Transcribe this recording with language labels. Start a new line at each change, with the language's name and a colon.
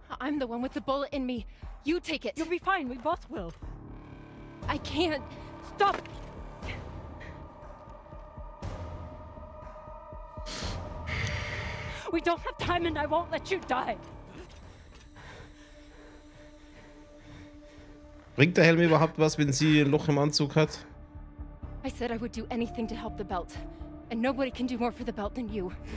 English: I'm the one with the bullet in me. You take it. You'll be fine. We both will. I can't. Stop. We don't have time and I won't let you die.
German: Bringt der Helm überhaupt was, wenn sie ein Loch im Anzug hat?
English: I said I would do anything to help the belt. And nobody can do more for the belt than you.